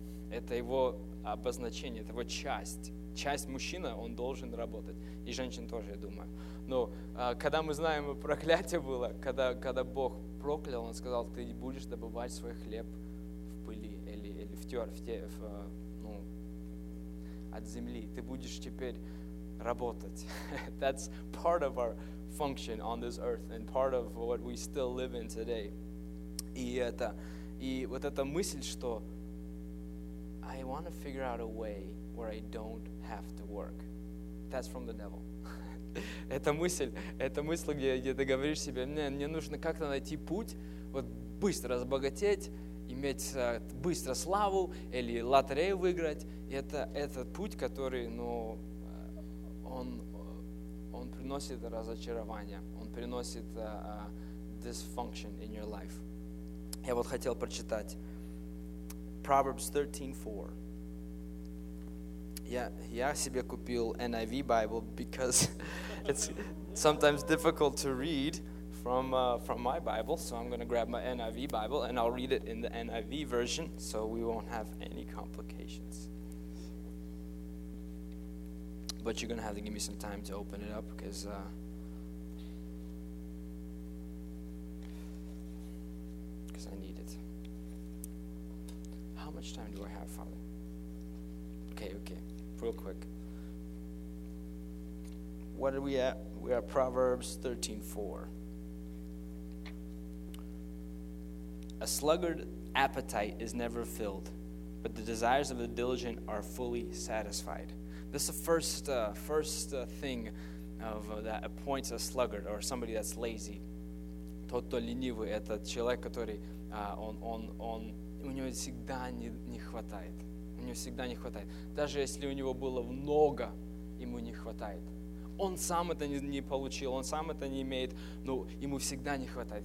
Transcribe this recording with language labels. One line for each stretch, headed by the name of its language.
Russian: Это его обозначение, это его часть мужчины, он должен работать, и женщин тоже, я думаю. Но когда мы знаем, проклятие было, когда Бог проклял, он сказал, ты будешь добывать свой хлеб в пыли или от земли, ты будешь теперь работать.
English: That's part of our function on this earth and part of what we still live in today.
Russian: И вот эта мысль, что
English: I want to figure out a way where I don't have to work. That's from the devil.
Russian: Эта мысль, где ты говоришь себе, мне нужно как-то найти путь, вот быстро разбогатеть, иметь быстро славу или лотерею выиграть. Это этот путь, который, ну, он приносит разочарование, он приносит
English: dysfunction in your life.
Russian: Я вот хотел прочитать Proverbs 13:4. Я себе купил
English: NIV Bible, because it's sometimes difficult to read from my Bible, so I'm going to grab my NIV Bible and I'll read it in the NIV version, so we won't have any complications. But you're going to have to give me some time to open it up, because I need it. How much time do I have, Father? Okay. Real quick. What are we at? We are Proverbs 13:4. A sluggard appetite is never filled, but the desires of the diligent are fully satisfied. This is the first thing of that appoints a sluggard, or somebody that's lazy.
Russian: Тот, кто ленивый, это человек, который он у него всегда не хватает. У него всегда не хватает. Даже если у него было много, ему не хватает. Он сам это не получил, он сам это не имеет, но ему всегда не хватает.